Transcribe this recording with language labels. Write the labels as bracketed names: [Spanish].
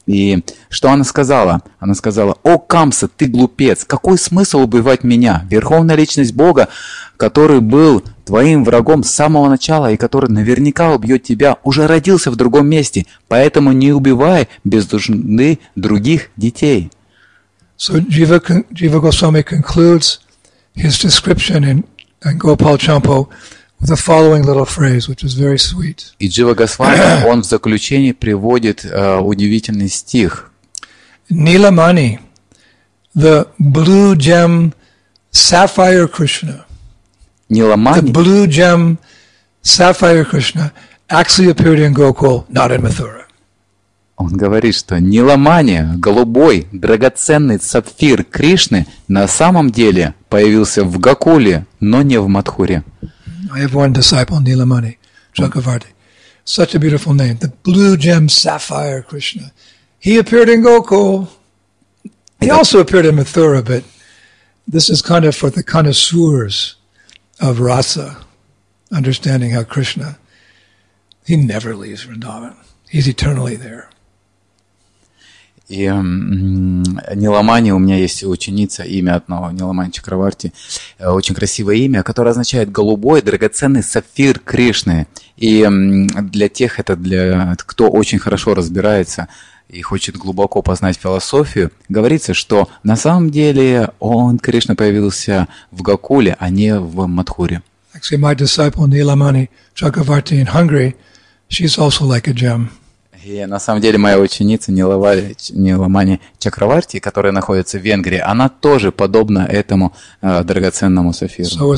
[Russian] И что она сказала? Она сказала: «О Камса, ты глупец! Какой смысл убивать меня, верховная личность Бога, который был твоим врагом с самого начала и который наверняка убьет тебя, уже родился в другом месте, поэтому не убивай без нужды других детей». [English] So Jiva Goswami concludes his description in and Gopal Champo with the following little phrase, which is very sweet. [Russian] И Джива Госвами, он в заключении приводит удивительный стих. [English] Nilamani, the blue gem sapphire Krishna. Nilamani. The blue gem sapphire Krishna actually appeared in Gokul, not in Mathura. [Russian] Он говорит, что Ниламани, голубой, драгоценный сапфир Кришны, на самом деле появился в Гокуле, но не в Матхуре. [English] I have one disciple, Nilamani, Chakravarti. Such a beautiful name. The blue gem sapphire Krishna. He appeared in Gokul. He also appeared in Mathura, but this is kind of for the connoisseurs of rasa, understanding how Krishna, he never leaves Vrindavan. He's eternally there. [Russian] И Ниламани, у меня есть ученица, имя одного, Ниламани Чакраварти, очень красивое имя, которое означает «голубой драгоценный сапфир Кришны». И для тех, это для кто очень хорошо разбирается и хочет глубоко познать философию, говорится, что на самом деле он, Кришна, появился в Гокуле, а не в Матхуре. [English] Actually, my disciple Ниламани Чакраварти in Hungary, she's also like a gem. [Russian] И на самом деле моя ученица Ниламани Чакраварти, которая находится в Венгрии, она тоже подобна этому драгоценному сапфиру.